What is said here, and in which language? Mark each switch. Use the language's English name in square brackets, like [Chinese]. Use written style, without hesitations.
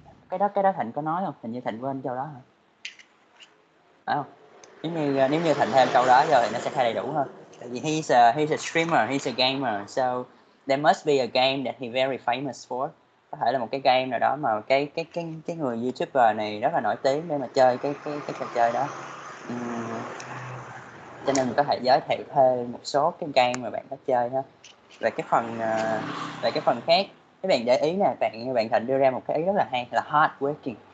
[Vietnamese] Cái đó Thịnh có nói không? Hình như Thịnh quên câu đó hả? Phải không? Nếu như Thịnh thêm câu đó giờ thì nó sẽ khá đầy đủ hơn. Tại vì [English] he's a streamer, he's a gamer. So there must be a game that he very famous for. [Vietnamese] Có thể là một cái game nào đó mà cái người YouTuber này rất là nổi tiếng để mà chơi cái trò chơi đó. Cho nên mình có thể giới thiệu thêm một số cái game mà bạn có chơi ha. Về cái phần khác, các bạn để ý nè, bạn Thịnh đưa ra một cái ý rất là hay là hard working.